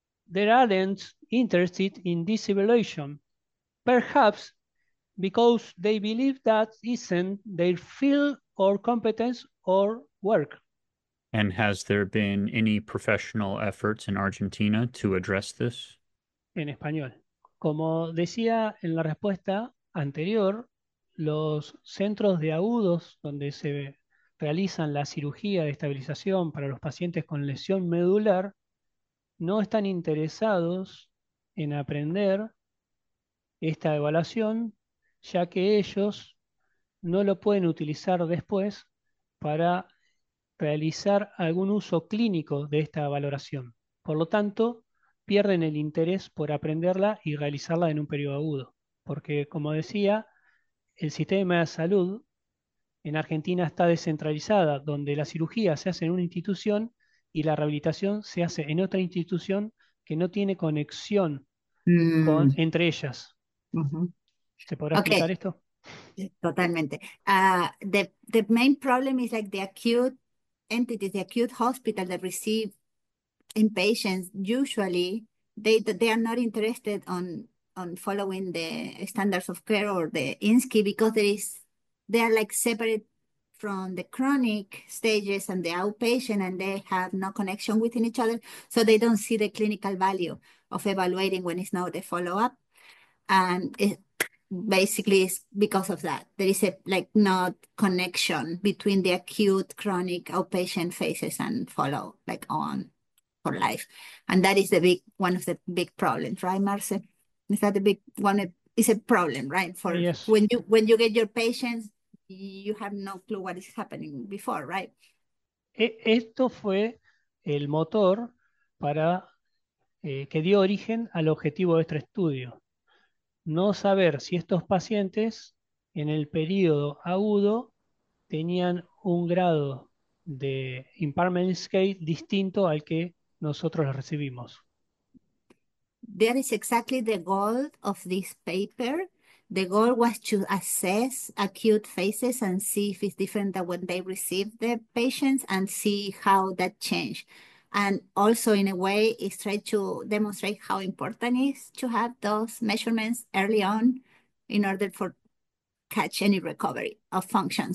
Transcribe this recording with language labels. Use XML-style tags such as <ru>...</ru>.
<en>They aren't interested in this evaluation, perhaps because they believe that isn't their field or competence or work. And has there been any professional efforts in Argentina to address this?</en> <es>En español. Como decía en la respuesta anterior, los centros de agudos donde se realizan la cirugía de estabilización para los pacientes con lesión medular no están interesados en aprender esta evaluación, ya que ellos no lo pueden utilizar después para realizar algún uso clínico de esta valoración. Por lo tanto, pierden el interés por aprenderla y realizarla en un periodo agudo. Porque, como decía, el sistema de salud en Argentina está descentralizada, donde la cirugía se hace en una institución y la rehabilitación se hace en otra institución que no tiene conexión entre ellas. ¿Se podrá explicar esto? Totalmente.</es> <en>The main problem is like the acute entities, the acute hospital that receive inpatients, usually they are not interested on following the standards of care or the INSCI, because they are like separate from the chronic stages and the outpatient, and they have no connection within each other, so they don't see the clinical value of evaluating when it's not the follow-up. And it basically is because of that there is a like not connection between the acute chronic outpatient phases and follow like on for life. And that is one of the big problems, right, Marce? Is that the big one? It's a problem, right? For yes. when you get your patients, you have no clue what is happening before, right?</en> <es>Esto fue el motor para que dio origen al objetivo de este estudio. No saber si estos pacientes en el periodo agudo tenían un grado de impairment scale distinto al que nosotros la recibimos.</es> <en>That is exactly the goal of this paper. The goal was to assess acute phases and see if it's different than when they received the patients and see how that changed. And also, in a way, it's trying to demonstrate how important it is to have those measurements early on in order for catch any recovery of function.</en>